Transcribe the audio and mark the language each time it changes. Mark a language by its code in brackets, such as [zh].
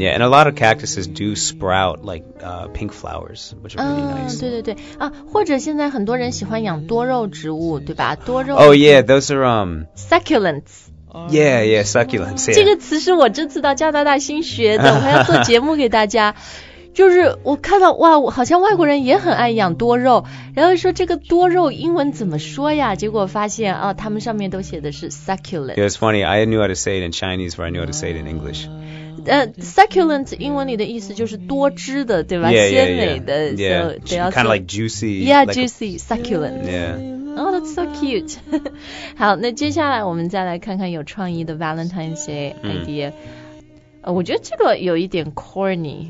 [en] Yeah, and a lot of cactuses do sprout like、pink flowers, which are really nice. [zh] 对对对、或者现在很多人喜欢养多肉植物对吧多肉。 [en] Oh yeah, those are、 succulents. Yeah, yeah, succulents. Yeah. [zh] 这个词是我这次到加拿大新学的，我要做节目给大家。就是我看到哇，好像外国人也很爱养多肉，然后说这个多肉英文怎么说呀？结果发现啊，他们上面都写的是 succulent. [en] It's funny. I knew how to say it in Chinese, but I knew how to say it in English. [zh] Succulent 英文里的意思就是多汁的，对吧？ [en] Yeah, yeah, [zh] 鲜美的， [en] yeah, yeah. Kind of like juicy. Yeah, like juicy succulent. Yeah. [zh] Oh, that's so cute. 好，那接下来我们再来看看有创意的 Valentine's Day idea.、我觉得这个有一点 corny.